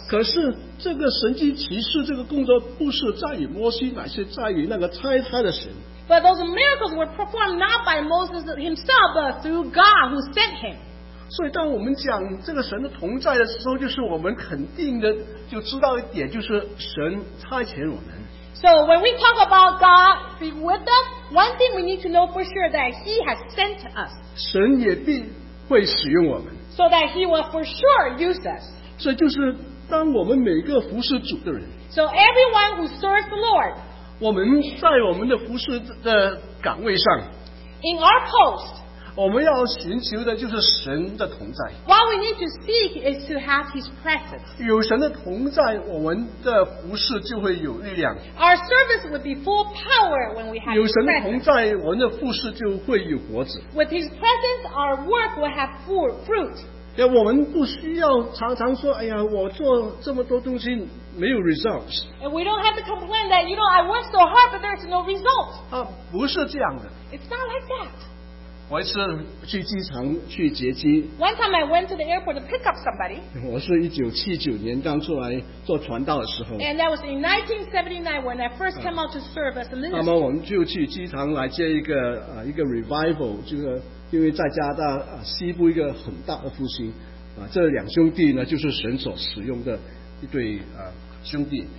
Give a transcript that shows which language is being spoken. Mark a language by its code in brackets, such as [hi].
[zh] 可是这个神迹奇事这个工作不是在于摩西，乃是在于那个差他的神。 [en] But those miracles were performed not by Moses himself, but through God who sent him. [zh] 所以当我们讲这个神的同在的时候，就是我们肯定的就知道一点，就是神差遣我们。 [en] So when we talk about God being with us, one thing we need to know for sure that He has sent us. [zh] 神也必会使用我们。 [en] So that He will for sure use us. [zh] 这就是当我们每个服侍主的人。 [en] So everyone who serves the Lord. [zh] 我们在我们的服侍的岗位上。 [en] In our post. [zh] 我们要寻求的就是神的同在。 [en] What we need to seek is to have His presence. [zh] 有神的同在，我们的服事就会有力量。 [en] Our service would be full power when we have His presence. [zh] 有神的同在，我们的服事就会有果子。 [en] With His presence, our work will have full fruit. [zh] 我们不需要常常说，哎呀，我做这么多东西没有 results. [en] And we don't have to complain that, you know, I work so hard, but there's no result. [zh] 不是这样的。 [en] It's not like that. [zh] 我一次去机场去接机。 [en] One time I went to the airport to pick up somebody. [zh] 我是1979年刚出来做传道的时候。 [en] And that was in 1979 when I first came out to serve as a minister. [zh] 那么我们就去机场来接一个 revival， 就是因为在加拿大西部一个很大的复兴，这两兄弟呢就是神所使用的一对兄弟。